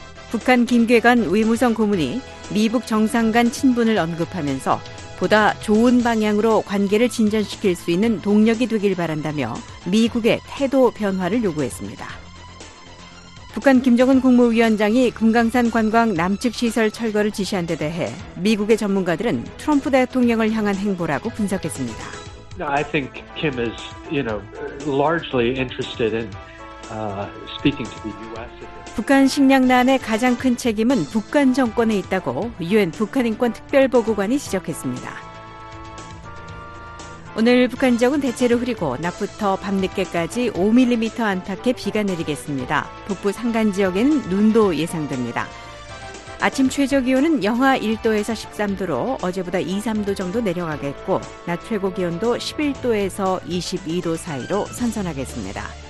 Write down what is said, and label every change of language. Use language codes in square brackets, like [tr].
[ko] 북한 김괴관 외무성 고문이 미북 정상 간 친분을 언급하면서 보다 좋은 방향으로 관계를 진전시킬 수 있는 동력이 되길 바란다며 미국의 태도 변화를 요구했습니다. 북한 김정은 국무위원장이 금강산 관광 남측 시설 철거를 지시한 데 대해 미국의 전문가들은 트럼프 대통령을 향한 행보라고 분석했습니다. [en] I think Kim is, you know, largely interested in speaking to the U.S. [ko] 북한 식량난의 가장 큰 책임은 북한 정권에 있다고 유엔 북한인권특별보고관이 지적했습니다. 오늘 북한 지역은 대체로 흐리고 낮부터 밤늦게까지 5mm 안팎의 비가 내리겠습니다. 북부 산간 지역에는 눈도 예상됩니다. 아침 최저기온은 영하 1도에서 13도로 어제보다 2, 3도 정도 내려가겠고 낮 최고기온도 11도에서 22도 사이로 선선하겠습니다.